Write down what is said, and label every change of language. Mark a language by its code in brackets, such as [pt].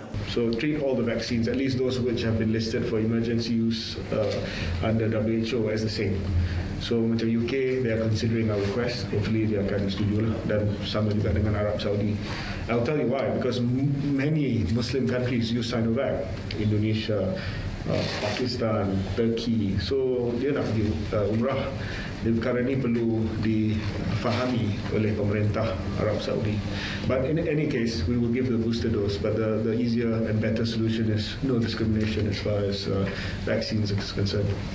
[en] So treat all the vaccines, at least those which have been listed for emergency use under WHO as the same. So [ms] macam [en] UK, they are considering our request. Hopefully they [ms] akan setuju lah. Dan sama juga dengan Arab Saudi. [en] I'll tell you why, because many Muslim countries use Sinovac. Indonesia, Pakistan, Turkey. [ms] So dia nak pergi umrah. Dan perkara ini perlu difahami oleh pemerintah Arab Saudi. [en] But in any case, we will give the booster dose. But the easier and better solution is no discrimination as far as vaccines is concerned.